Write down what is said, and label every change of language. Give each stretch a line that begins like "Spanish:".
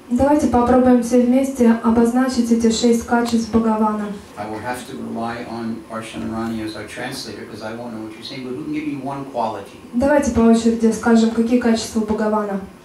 Russian: Давайте попробуем все вместе обозначить эти 6 качеств Бхагавана.
English: I will have to rely on Arshanarani as our translator because I won't know what you're saying, but who can give me 1 quality?
Russian: Давайте по очереди скажем, какие качества Бхагавана.